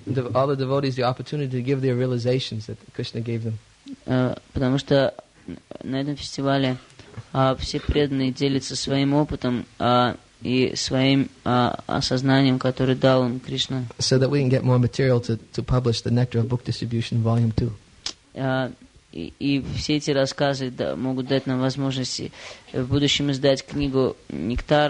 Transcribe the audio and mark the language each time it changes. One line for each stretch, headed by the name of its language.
English: All the devotees the opportunity to give their realizations that Krishna gave them.
Russian: Потому что на этом фестивале все преданные делятся своим опытом и своим осознанием, которое дал им Кришна.
English: So that we can get more material to publish the Nectar of Book Distribution Volume 2.
Russian: И все эти рассказы могут дать нам возможности в будущем издать книгу «Нектар.